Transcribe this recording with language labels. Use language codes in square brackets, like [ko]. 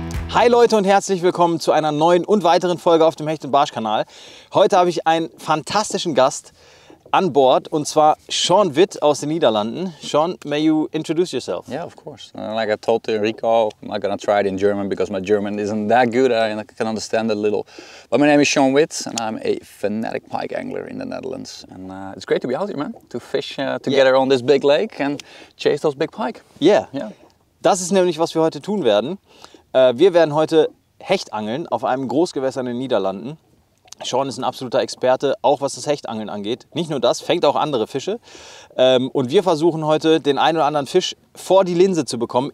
[de] Hi Leute und herzlich willkommen zu einer neuen und weiteren Folge auf dem Hecht und Barsch Kanal. Heute habe ich einen fantastischen Gast an Bord und zwar Sean Wit aus den Niederlanden. [en] Sean, may you introduce yourself? Yeah, of course. Like I told to Enrico, I'm not gonna try it in German because my German isn't that good. I can understand a little. But my name is Sean Wit and I'm a fanatic pike angler in the Netherlands. And it's great to be out here, man, to fish together on this big lake and chase those big pike. Yeah, yeah. [de] Das ist nämlich, was wir heute tun werden. Wir werden heute Hechtangeln auf einem Großgewässer in den Niederlanden. Sean ist ein absoluter Experte, auch was das Hechtangeln angeht. Nicht nur das, fängt auch andere Fische. Und wir versuchen heute, den einen oder anderen Fisch vor die Linse zu bekommen.